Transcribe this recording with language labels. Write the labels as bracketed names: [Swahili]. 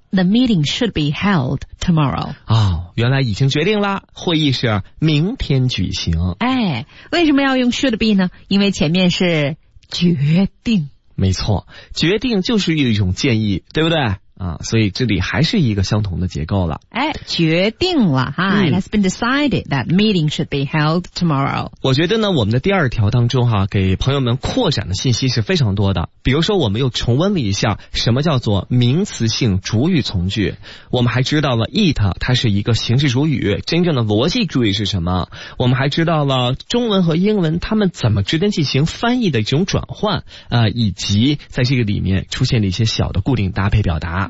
[English] The meeting should be held tomorrow. [Chinese] 哦、oh, 原来已经决定了会议是明天举行。哎为什么要用 should be 呢因为前面是决定。没错决定就是一种建议对不对啊所以这里还是一个相同的结构了。哎决定了哈、嗯、 [English] It has been decided that meeting should be held tomorrow. [Chinese] 我觉得呢我们的第二条当中哈、啊、给朋友们扩展的信息是非常多的。比如说我们又重温了一下什么叫做名词性主语从句。我们还知道了 it, 它是一个形式主语真正的逻辑主语是什么。我们还知道了中文和英文它们怎么之间进行翻译的这种转换以及在这个里面出现了一些小的固定搭配表达。